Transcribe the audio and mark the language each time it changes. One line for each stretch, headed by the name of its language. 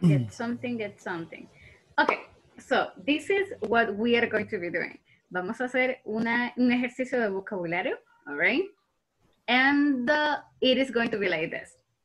English: Okay, so this is what we are going to be doing.
Spanish: Vamos a hacer un ejercicio de vocabulario,
English: all right? And it is going to be like this.